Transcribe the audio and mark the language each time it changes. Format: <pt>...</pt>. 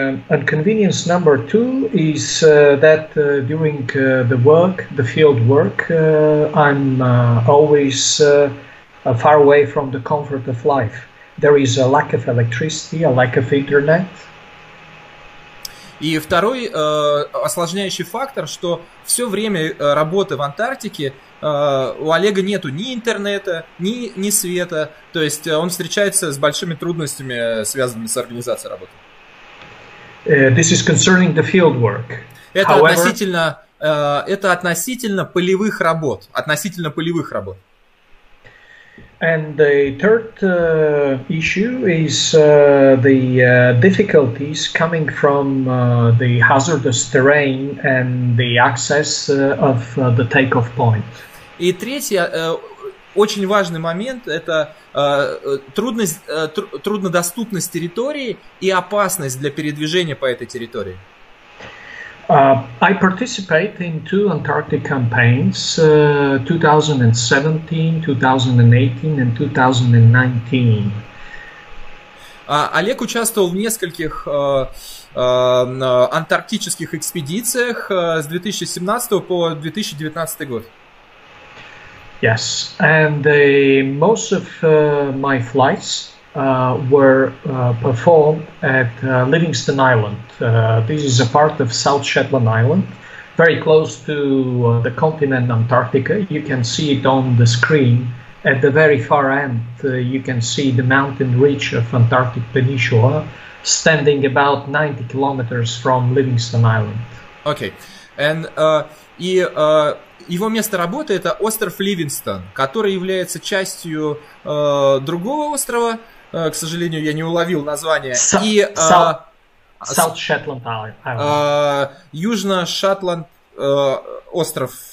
<en>Inconvenience number two is that during the work, the field work, I'm always far away from the comfort of life. There is a lack of electricity, a lack of internet.</en> <ru>И второй осложняющий фактор, что все время работы в Антарктике у Олега нету ни интернета, ни света. То есть он встречается с большими трудностями, связанными с организацией работы.</ru> <en>This is concerning the field work.</en> <ru>Это However, относительно это относительно полевых работ. Относительно полевых работ.</ru> <en>And the third issue is the difficulties coming from the hazardous terrain and the access of the takeoff point.</en> <ru>И третий очень важный момент – это труднодоступность территории и опасность для передвижения по этой территории.</ru> <en>I participate in two Antarctic campaigns, 2017, 2018 and 2019.</en> <ru>Олег участвовал в нескольких антарктических экспедициях с 2017 по 2019 год.</ru> <en>Yes, and most of my flights were performed at Livingston Island. This is a part of South Shetland Island, very close to the continent Antarctica. You can see it on the screen. At the very far end, you can see the mountain ridge of Antarctic Peninsula, standing about 90 kilometers from Livingston Island. Okay, and</en> <ru>его место работы – это остров Ливингстон, который является частью другого острова. К сожалению, я не уловил название.</ru> <en>South Shetland Island.</en> <ru>Южно-Шетланд остров.</ru>